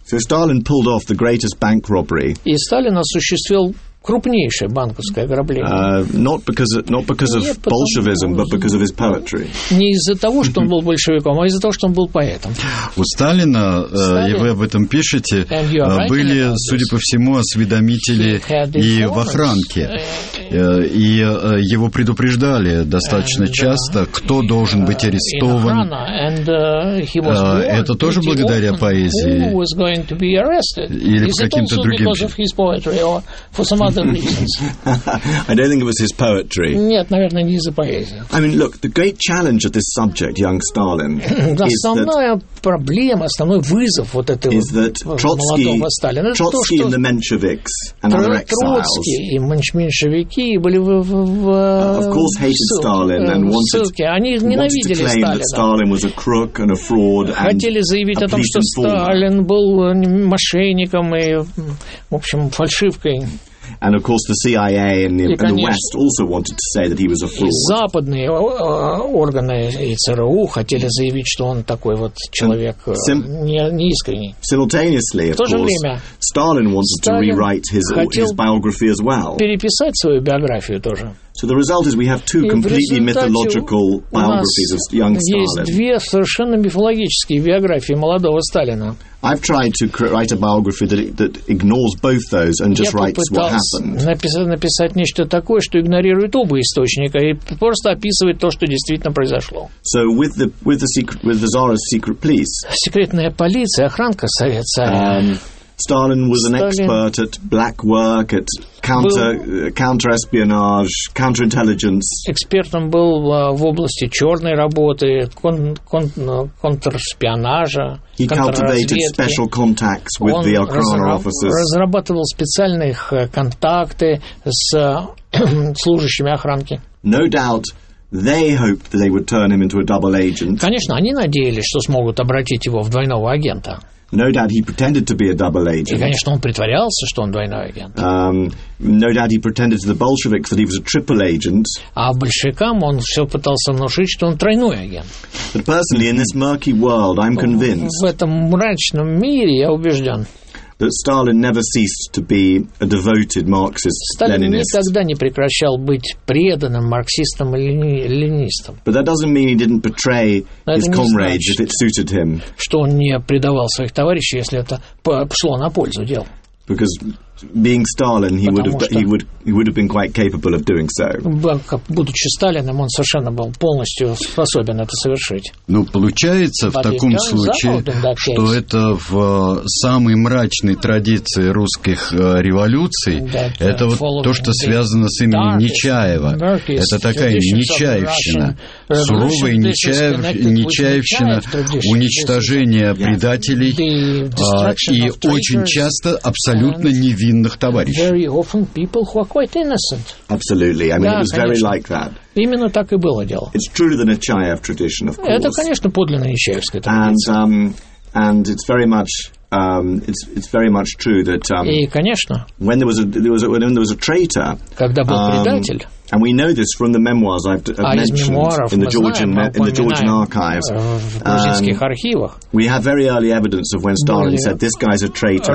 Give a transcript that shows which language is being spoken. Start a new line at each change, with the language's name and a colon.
English: So Stalin pulled off the greatest bank robbery.
Russian: И Сталин осуществил крупнейшее банковское ограбление.
English: Not because of Bolshevism, but because of his poetry.
Russian: Не из-за того, что он был большевиком, а из-за того, что он был поэтом. У Сталина, и вы об этом пишете, были, судя по всему, осведомители и в охранке. И его предупреждали достаточно часто, кто должен быть арестован. Это тоже благодаря поэзии. Или по каким-то другим причинам.
English: I don't think it was his poetry.
Russian: Нет, наверное, не из-за поэзии.
English: I mean, look, the great challenge of this subject, young Stalin,
Russian: основной вызов вот этого
English: is that Trotsky and the Mensheviks and other exiles
Russian: и меньшевики были
English: of course hated Stalin and wanted to claim that Stalin was a crook and a fraud and
Russian: хотели заявить о том, что Сталин был мошенником и, в общем, фальшивкой.
English: And of course, the CIA and the West also wanted to say that he was a fraud.
Russian: Западные органы и ЦРУ хотели заявить, что он такой вот человек неискренний.
English: Simultaneously, of course, Stalin wanted to rewrite his biography as well.
Russian: Переписать свою биографию тоже.
English: So the result is we have two completely mythological biographies of young Stalin.
Russian: Есть две совершенно мифологические биографии молодого Сталина.
English: I've tried to write a biography that ignores both those and just writes what happened.
Russian: Написать нечто такое, что игнорирует оба источника и просто описывает то, что действительно произошло.
English: So with the Tsarist secret police.
Russian: Секретная полиция, охранка царя.
English: Stalin was an expert at black work, at counter-espionage, counter-intelligence.
Russian: Экспертом был в области черной работы, контрспионажа,
English: He cultivated special contacts with the Okhrana officers.
Russian: Он разрабатывал специальных контакты с служащими охранки.
English: No doubt, they hoped that they would turn him into a double agent.
Russian: Конечно, они надеялись, что смогут обратить его в двойного агента.
English: No doubt he pretended to be a double agent.
Russian: И, конечно, он притворялся, что он двойной агент.
English: No doubt he pretended to the Bolsheviks that he was a triple agent.
Russian: А большевикам он все пытался внушить, что он тройной агент.
English: But personally, in this murky world, I'm convinced.
Russian: В этом мрачном мире я убежден.
English: That Stalin never ceased to be a devoted Marxist-Leninist.
Russian: Сталин никогда не прекращал быть преданным марксистом или ленинистом.
English: But that doesn't mean he didn't betray his comrades if it suited him.
Russian: Что он не предавал своих товарищей, если это пошло на пользу делу.
English: Because being Stalin, he would have been quite capable of doing so.
Russian: Будучи Сталином, он совершенно был полностью способен это совершить. Ну, получается в таком случае, что это в самой мрачной традиции русских революций, это вот то, что связано с именем Нечаева. Это такая Нечаевщина, суровая Нечаевщина уничтожения предателей и очень часто абсолютно невинных.
English: Very often people who are quite innocent. Absolutely. I mean, it was very like that.
Russian: Именно так и было дело.
English: It's truly the Nechayev tradition, of course.
Russian: Это, конечно, подлинная Нечаевская традиция.
English: And it's very much It's very much true that
Russian: и, конечно,
English: when there was a, when there was a traitor,
Russian: когда был предатель,
English: and we know this from the memoirs I've mentioned in the Georgian archives,
Russian: архивах,
English: we have very early evidence of when Stalin said this guy's a traitor.